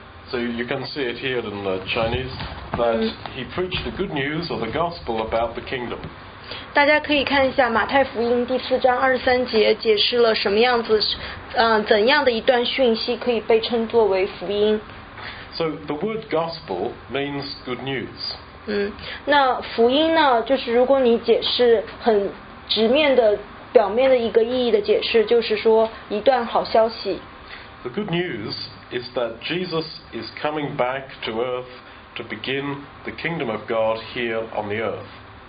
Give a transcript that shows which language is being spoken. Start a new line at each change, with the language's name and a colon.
English: So you can see it here in the Chinese that he preached the good news or the gospel about the kingdom.
Chinese: 大家可以看一下马太福音第四章二十三节解释了什么样子。怎样的一段讯息可以被称作为福音？
English: So the word gospel means good news.
Chinese: 那福音呢，就是如果你解释很直面的表面的一个意义的解释，就是说一段好消息。
English: The good news is that Jesus is coming back to earth to begin the kingdom of God here on the earth.